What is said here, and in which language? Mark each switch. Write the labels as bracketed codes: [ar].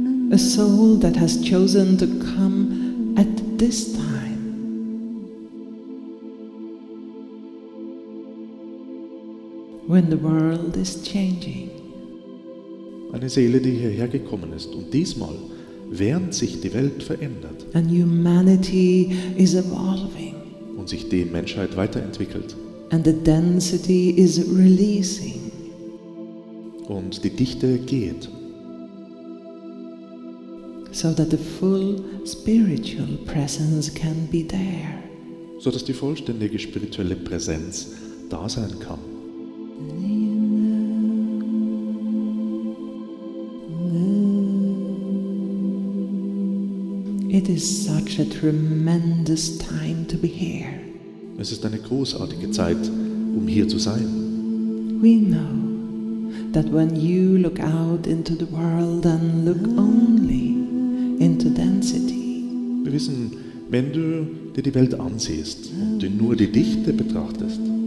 [en] A soul that has chosen to come at this time. When the world is changing. [de] Eine Seele, die hierher gekommen ist und diesmal, während sich die Welt verändert [en] and humanity is evolving, [de] und sich die Menschheit weiterentwickelt [en] and the density is releasing, [de] und die Dichte geht, [en] so that the full spiritual presence can be there. [de] So dass die vollständige spirituelle Präsenz da sein kann. [en] It is such a tremendous time to be here. [de] Es ist eine großartige Zeit, um hier zu sein. [en] We know that when you look out into the world and look only into density. [de] Wir wissen, wenn du dir die Welt ansiehst und nur die Dichte betrachtest,